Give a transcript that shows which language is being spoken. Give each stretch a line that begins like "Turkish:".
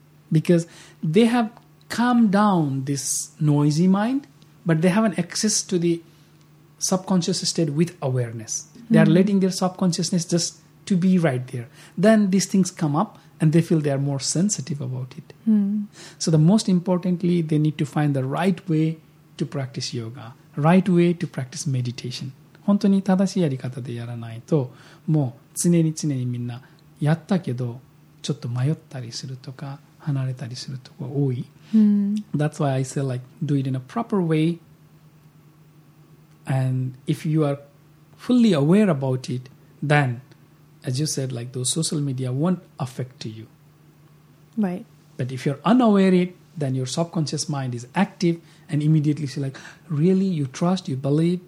English: Because they have calmed down this noisy mind, but they have an access to the subconscious state with awareness. Mm-hmm. They are letting their subconsciousness just to be right there. Then these things come up, and they feel they are more sensitive about it. Mm. So the most importantly, they need to find the right way to practice yoga, right way to practice meditation.
Japanese: 本当に正しいやり方でやらないと、もう常に常にみんなやったけど、ちょっと迷ったりするとか、離れたりするとか多い。 Mm.
English: That's why I say like, do it in a proper way. And if you are fully aware about it, then... As you said, like those social media won't affect you. Right. But if you're unaware of it, then your subconscious mind is active and immediately say like, really, you trust, you believe?